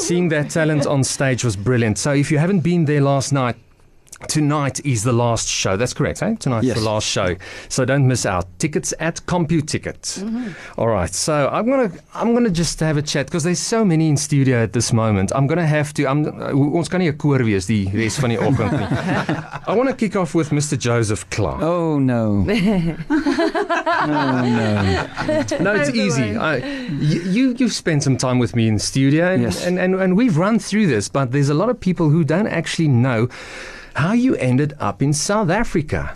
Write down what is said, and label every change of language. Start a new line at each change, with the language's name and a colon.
English: Seeing their talent on stage was brilliant. So if you haven't been there last night, tonight is the last show. That's correct, eh? Tonight's the last show. So don't miss out. Tickets at CompuTicket. Mm-hmm. All right. So I'm gonna just have a chat because there's so many in studio at this moment.
Afrikaans: Ons kan nie 'n koor wees die res van die oggend nie.
English: I want to kick off with Mr. Joseph Clark. Oh, no. No. No, it's easy. You've spent some time with me in studio. And we've run through this, but there's a lot of people who don't actually know how you ended up in South Africa.